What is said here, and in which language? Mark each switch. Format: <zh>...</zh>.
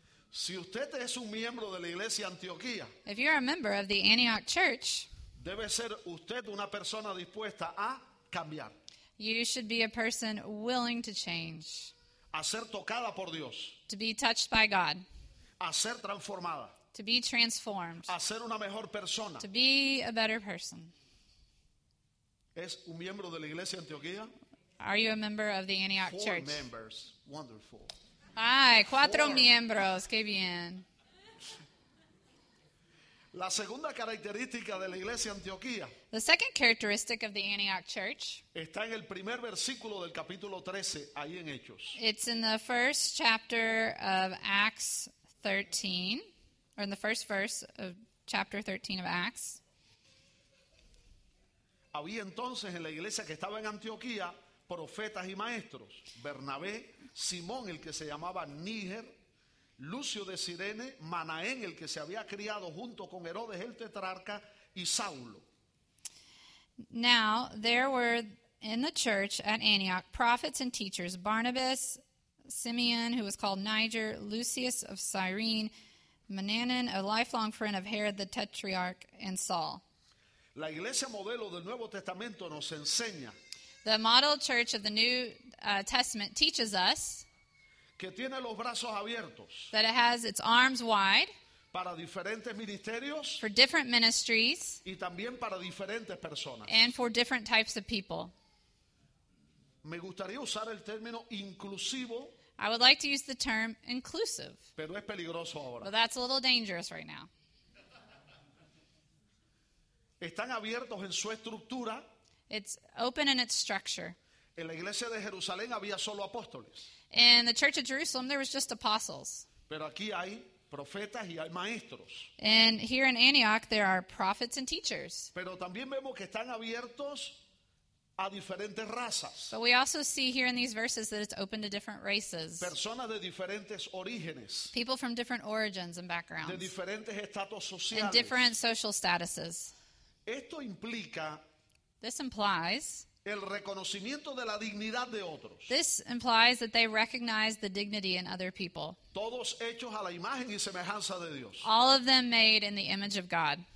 <es>Si usted es un miembro de la iglesia Antioquía,</es> <en>if you're a member of the Antioch Church,</en> <es>debe ser usted una persona dispuesta a cambiar.</es> <en>You should be a person willing to change.</en> <es>A ser tocada por Dios.</es> <en>To be touched by God.</en> <es>A ser transformada.</es> <en>To be transformed.</en> <es>A ser una mejor persona.</es> <en>To be a better person.</en> <es>¿Es un miembro de la iglesia Antioquía?</es> <en>Are you a member of the Antioch Four Church? Four members. Wonderful.</en> <es>Ay, cuatro Four. Miembros. Qué bien. La segunda característica de la iglesia Antioquía.</es> <en>The second characteristic of the Antioch Church.</en> <es>Está en el primer versículo del capítulo 13, ahí en Hechos.</es> <en>It's in the first chapter of Acts 13. Or in the first verse of chapter 13 of Acts.</en> <es>Había entonces en la iglesia que estaba en Antioquía profetas y maestros: Bernabé, Simón, el que se llamaba Níger, Lucio de Cirene, Manaén, el que se había criado junto con Herodes el tetrarca, y Saulo.</es> <en>Now there were in the church at Antioch prophets and teachers: Barnabas, Simeon, who was called Niger, Lucius of Cyrene, Mananen, a lifelong friend of Herod the Tetrarch, and Saul.</en> <es>La iglesia modelo del Nuevo Testamento nos enseña.</es> <en>The model church of the New Testament teaches us</en> <es>que tiene los brazos abiertos,</es> <en>that it has its arms wide</en> <es>para diferentes ministerios,</es> <en>for different ministries</en> <es>y también para diferentes personas,</es> <en>and for different types of people.</en> <es>Me gustaría usar el término inclusivo.</es> <en>I would like to use the term inclusive.</en> <es>Pero es peligroso ahora.</es> <en>But that's a little dangerous right now.</en> <es>Están abiertos en su estructura.</es> <en>It's open in its structure.</en> <es>En la iglesia de Jerusalén había solo apóstoles.</es> <en>In the church of Jerusalem, there was just apostles.</en> <es>Pero aquí hay profetas y hay maestros.</es> <en>And here in Antioch, there are prophets and teachers.</en> <es>Pero también vemos que están abiertos a diferentes razas.</es> <en>But we also see here in these verses that it's open to different races.</en> <es>Personas de diferentes orígenes.</es> <en>People from different origins and backgrounds.</en> <es>De diferentes estatus sociales.</es> <en>And different social statuses.</en> <es>Esto implica.</es> <en>This implies.</en> <es>El reconocimiento de la dignidad de otros.</es> <en>This implies that they recognize the dignity in other people.</en> <es>Todos hechos a la imagen y semejanza de Dios.</es> <en>All of them made in the image of God.</en>